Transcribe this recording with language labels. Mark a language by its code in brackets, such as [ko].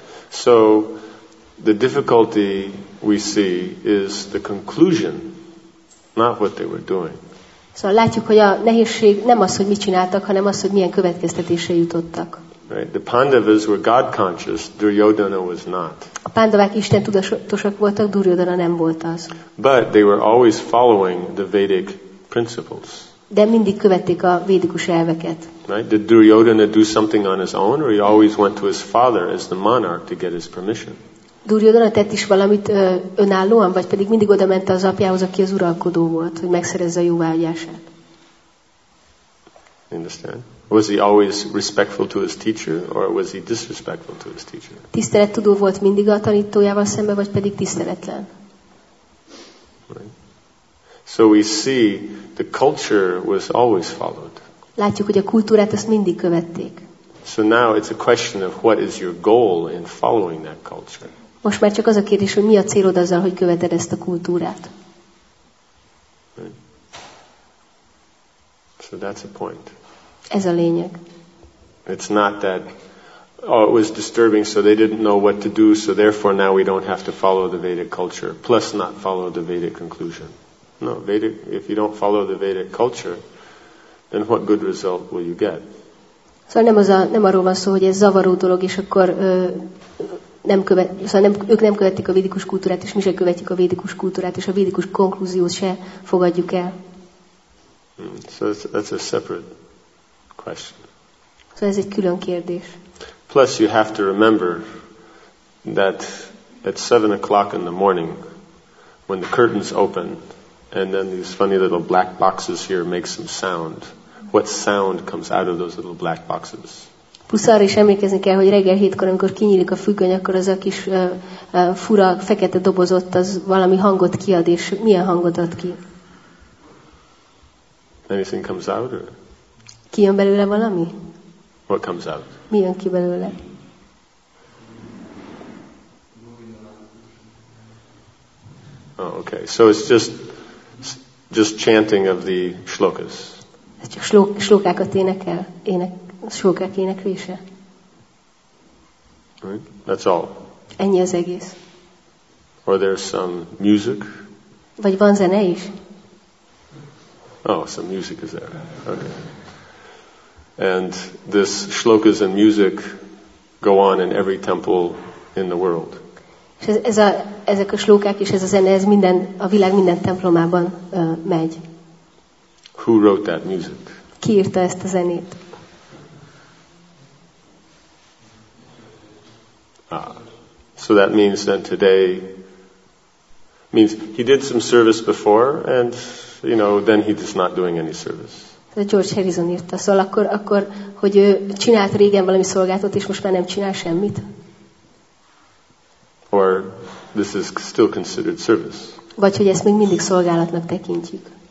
[en] So, the difficulty we see is the conclusion, not what they were doing. [hu] Szóval látjuk, hogy a nehézség nem az, hogy mit csináltak, hanem az, hogy milyen következtetésre jutottak. [en] Right. The Pandavas were God conscious, Duryodhana was not. [hu] A Pandavák Isten tudatosak voltak, Duryodhana nem volt az. [en] But they were always following the Vedic principles. [hu] De mindig követték a védikus elveket. [en] Right. Did Duryodhana do something on his own, or he always went to his father as the monarch to get his permission? [hu] Duryodhana tett is valamit önállóan, vagy pedig mindig oda ment az apjához, aki az uralkodó volt, hogy megszerezze a jóvágyását. [en] Understand? Was he always respectful to his teacher, or was he disrespectful to his teacher? [hu] Tisztelettudó volt mindig a tanítójával szemben, vagy pedig tiszteletlen? [en] Right. So we see the culture was always followed. [hu] Látjuk, hogy a kultúrát ezt mindig követték. [en] So now it's a question of what is your goal in following that culture. [hu] Most már csak az a kérdés, hogy mi a célod azzal, hogy követed ezt a kultúrát. [en] So that's a point. [hu] Ez a lényeg. [en] It's not that, oh, it was disturbing, so they didn't know what to do, so therefore now we don't have to follow the Vedic culture, plus not follow the Vedic conclusion. No, Vedic, if you don't follow the Vedic culture, then what good result will you get? [hu] Szóval nem arról van szó, hogy ez zavaró dolog, és akkor ők nem követik a védikus kultúrát, és mi sem követjük a védikus kultúrát, és a védikus konklúziót se fogadjuk el. [en] So that's a separate question. [hu] Szóval ez egy külön kérdés. [en] Plus you have to remember that at 7 o'clock in the morning, when the curtains open, and then these funny little black boxes here make some sound, what sound comes out of those little black boxes? [hu] Plusz arra is emlékezni kell, hogy reggel 7-kor, amikor kinyílik a függöny, akkor az a kis fura, fekete doboz ott, az valami hangot kiad, és milyen hangot ad ki? [en] Anything comes out? Or? [hu] Ki jön belőle valami? [en] What comes out? [hu] Mi jön ki belőle? [en] Oh, okay. So it's just chanting of the shlokas. [hu] Ez csak slókákat énekel, slókák éneklése. [en] Right. That's all. [hu] Ennyi az egész. [en] Or there's some music. [hu] Vagy van zene is? [en] Oh, some music is there. Okay. And this shlokas and music go on in every temple in the world. [hu] És ezek a slókák és ez a zene, ez minden a világ minden templomában megy. [en] Who wrote that music? [hu] Ki írta ezt a zenét? [en] So that means that today means he did some service before, and you know, then he is not doing any service. [hu] George Harrison írta, szóval akkor, hogy ő csinált régen valami szolgálatot, és most már nem csinál semmit. [en] Or this is still considered service. [hu] Vagy hogy ezt még mindig szolgálatnak tekintjük.